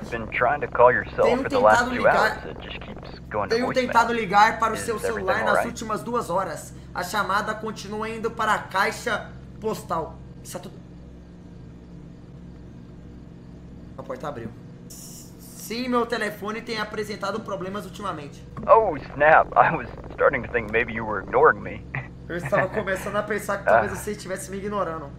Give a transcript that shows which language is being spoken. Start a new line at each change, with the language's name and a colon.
English: I've been trying to call your cell for the last two hours. It just keeps going to voicemail.
Portuguese: Tenho tentado ligar para o seu celular nas últimas duas horas. A chamada continua indo para a caixa postal. Está tudo... A porta abriu. Sim, meu telefone tem apresentado problemas ultimamente.
English: Oh, snap. I was starting to think maybe you were ignoring me.
Portuguese: Eu estava começando a pensar que talvez você estivesse me ignorando.